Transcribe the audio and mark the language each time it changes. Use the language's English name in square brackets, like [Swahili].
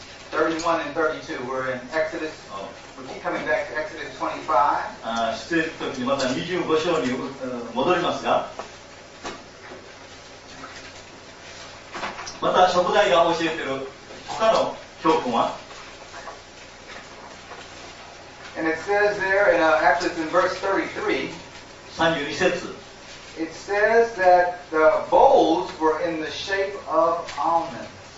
[English] 31 and 32. We're in Exodus. We keep coming back to Exodus 25. [Japanese] 出エジプト記にまた25章に戻りますが、また食材が教えている他の教訓は、 [English] And it says there in, actually in verse 33, [Japanese] 32節、 [English] It says that the bowls were in the shape of almonds.